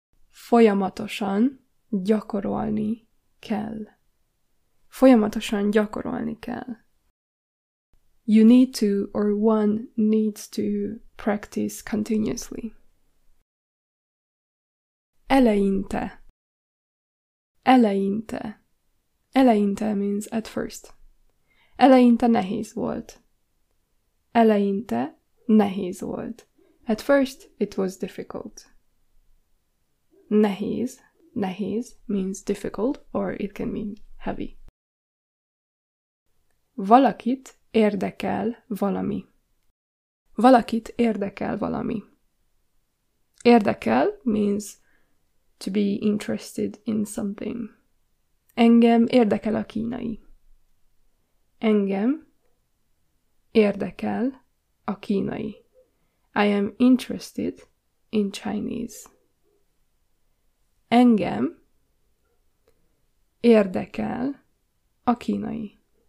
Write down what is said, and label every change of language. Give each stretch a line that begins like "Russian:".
Hungarian: Folyamatosan gyakorolni kell. Folyamatosan gyakorolni kell.
English: You need to or one needs to practice continuously.
Hungarian: Eleinte. Eleinte.
English: Eleinte means at first.
Hungarian: Eleinte nehéz volt. Eleinte nehéz volt.
English: At first it was difficult. Nehéz. Nehéz means difficult or it can mean heavy.
Hungarian: Valakit érdekel valami. Valakit érdekel valami.
English: Érdekel means to be interested in something.
Hungarian: Engem érdekel a kínai. Engem érdekel a kínai.
English: I am interested in Chinese.
Hungarian: Engem érdekel a kínai.